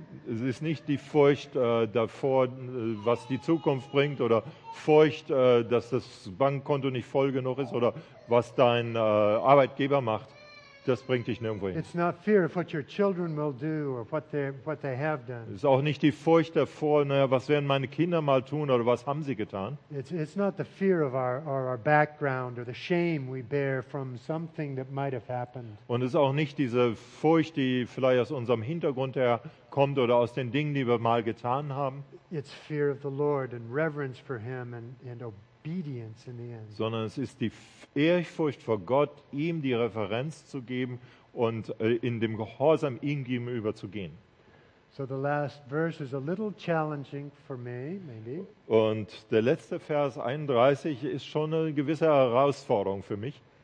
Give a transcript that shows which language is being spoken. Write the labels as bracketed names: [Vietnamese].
[German] Es ist nicht die Furcht davor, was die Zukunft bringt, oder Furcht, dass das Bankkonto nicht voll genug ist, oder was dein Arbeitgeber macht. Das bringt dich nirgendwo hin. [English] It's not fear of what your children will do or what they have done. [German] Es ist auch nicht die Furcht davor, naja, was werden meine Kinder mal tun oder was haben sie getan? [English] It's not the fear of our background or the shame we bear from something that might have happened. [German] Und es ist auch nicht diese Furcht, die vielleicht aus unserem Hintergrund herkommt oder aus den Dingen, die wir mal getan haben. [English] It's fear of the Lord and reverence for him and obedience in the end. [German] Sondern es ist die Ehrfurcht vor Gott, ihm die Referenz zu geben und in dem Gehorsam ihm gegenüber zu gehen. [English] So the last verse is a little challenging for me, maybe. [German] Und der letzte Vers 31 ist schon eine gewisse Herausforderung für mich.